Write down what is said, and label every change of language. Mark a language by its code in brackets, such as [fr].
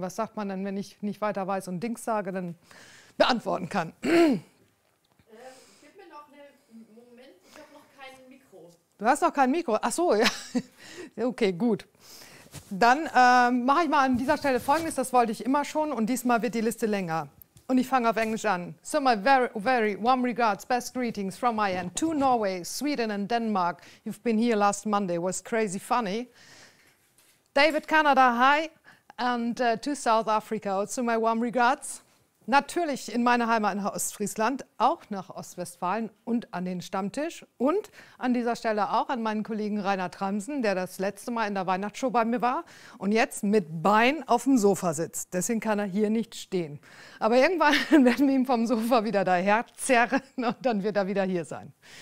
[de] Was sagt man denn, wenn ich nicht weiter weiß und Dings sage, dann beantworten kann? Gib mir noch einen Moment, ich habe noch kein Mikro. Du hast noch kein Mikro? Ach so, ja. Okay, gut. Dann mache ich mal an dieser Stelle Folgendes, das wollte ich immer schon und diesmal wird die Liste länger. Und ich fange auf Englisch an. [en] So my very, very warm regards, best greetings from my end to Norway, Sweden and Denmark. You've been here last Monday, was crazy funny. David, Canada, hi. And to South Africa, also my warm regards. [de] Natürlich in meiner Heimat in Ostfriesland, auch nach Ostwestfalen und an den Stammtisch. Und an dieser Stelle auch an meinen Kollegen Rainer Tramsen, der das letzte Mal in der Weihnachtsshow bei mir war und jetzt mit Bein auf dem Sofa sitzt. Deswegen kann er hier nicht stehen. Aber irgendwann werden wir ihn vom Sofa wieder daher zerren und dann wird er wieder hier sein.